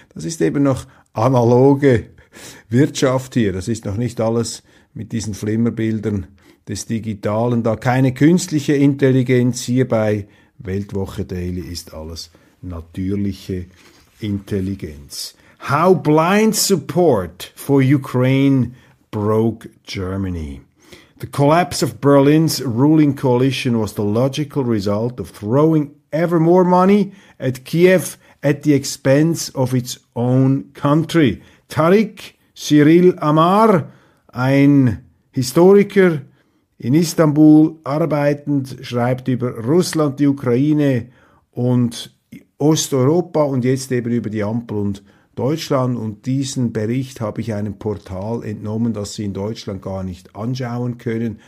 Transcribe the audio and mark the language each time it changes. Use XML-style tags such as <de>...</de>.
<de>Das ist eben noch analoge Wirtschaft hier. Das ist noch nicht alles mit diesen Flimmerbildern des Digitalen. Da keine künstliche Intelligenz hier bei Weltwoche Daily, ist alles natürliche Intelligenz.</de> <en>How blind support for Ukraine broke Germany. The collapse of Berlin's ruling coalition was the logical result of throwing ever more money at Kiev at the expense of its own country.</en> <de>Tariq Cyril Amar, ein Historiker in Istanbul arbeitend, schreibt über Russland, die Ukraine und Osteuropa und jetzt eben über die Ampel und Deutschland. Und diesen Bericht habe ich einem Portal entnommen, das Sie in Deutschland gar nicht anschauen können.</de>